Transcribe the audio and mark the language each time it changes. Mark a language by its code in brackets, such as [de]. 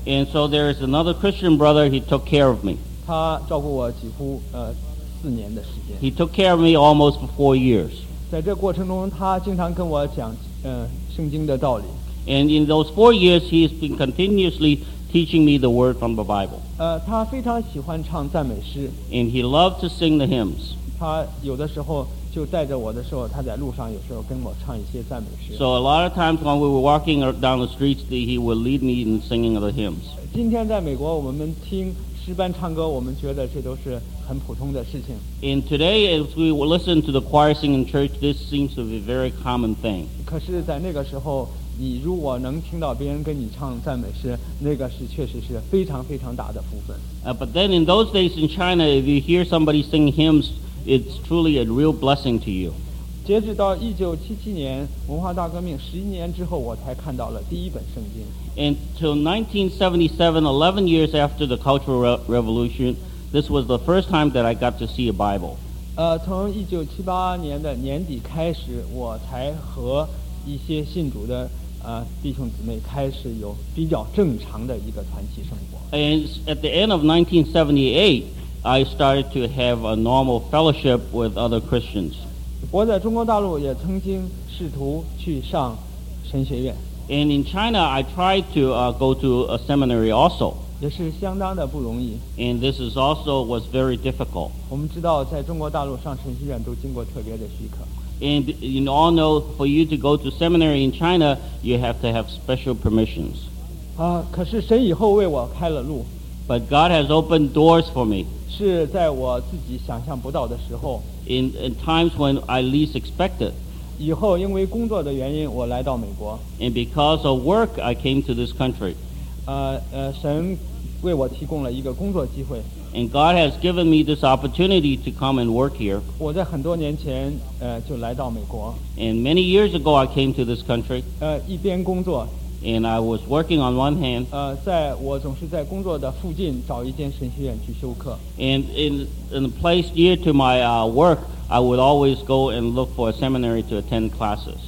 [en] And so there is another Christian brother, he took care of me. [zh] 他照顾我几乎四年的时间。 [en] He took care of me almost for 4 years. [zh] 在这过程中，他经常跟我讲圣经的道理。 [en] And in those 4 years, he has been continuously teaching me the word from the Bible. [zh] 他非常喜欢唱赞美诗。 [en] And he loved to sing the hymns. [zh] 他有的时候就带着我的时候， 他在路上有时候跟我唱一些赞美诗。 [en] So a lot of times when we were walking down the streets, he would lead me in singing the hymns. [zh] 今天在美国我们听诗班唱歌， 我们觉得这都是很普通的事情。 [en] And today, as we listen to the choir sing in church, this seems to be a very common thing. [zh] 可是在那个时候， 你如果能听到别人跟你唱赞美诗， 那个是确实是非常非常大的福分。 [en] But then in those days in China, if you hear somebody sing hymns, it's truly a real blessing to you. [zh] 截止到1977年 文化大革命11年之后， 我才看到了第一本圣经。 [en] Until 1977, 11 years after the Cultural Revolution, this was the first time that I got to see a Bible. [zh] 从1978年的年底开始， 我才和一些信主的 弟兄姊妹开始有比较正常的一个团契生活。 [en] And at the end of 1978, I started to have a normal fellowship with other Christians. [zh] 我在中国大陆也曾经试图去上神学院。 [en] And in China, I tried to go to a seminary also. [zh] 也是相当的不容易。 [en] And this is also was very difficult. [zh] 我们知道，在中国大陆上神学院都经过特别的许可。 [en] And you all know, for you to go to seminary in China, you have to have special permissions. [zh] 啊，可是神以后为我开了路。 [en] But God has opened doors for me. [zh] 是在我自己想象不到的时候。 [en] In times when I least expected. [zh] 以后因为工作的原因，我来到美国。 [en] And because of work, I came to this country. [zh] 神为我提供了一个工作机会。 [en] And God has given me this opportunity to come and work here. [zh] 我在很多年前，就来到美国。 [en] And many years ago, I came to this country. [zh] 一边工作。 [en] And I was working on one hand. [zh] 在我总是在工作的附近找一间神学院去修课。 [en] And in a place near to my work, I would always go and look for a seminary to attend classes.